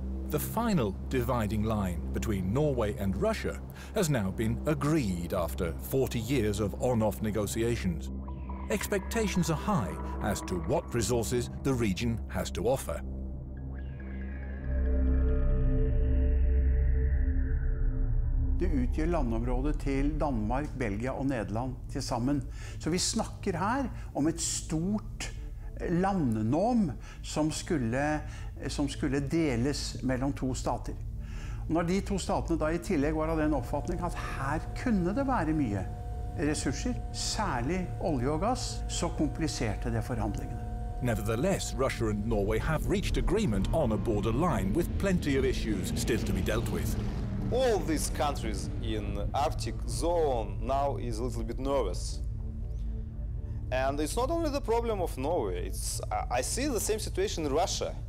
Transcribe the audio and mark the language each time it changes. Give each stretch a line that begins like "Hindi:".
English: The final dividing line between Norway and Russia has now been agreed after 40 years of on-off negotiations. Expectations are high as to what resources the region has to offer.
Norwegian: Det utgjør landområdet til Danmark, Belgia og Nederland til sammen. Så vi snakker her om et stort landnorm som skulle deles mellom to stater. Når de to statene da I tillegg var av den oppfatning at her kunne det være mye ressurser, særlig olje og gass, så kompliserte det forhandlingene.
English: Nevertheless, Russia and Norway have reached agreement on a border line with plenty of issues still to be dealt with. All these countries in Arctic zone now is a little bit nervous. And it's not only the problem of Norway, I see the same situation in Russia.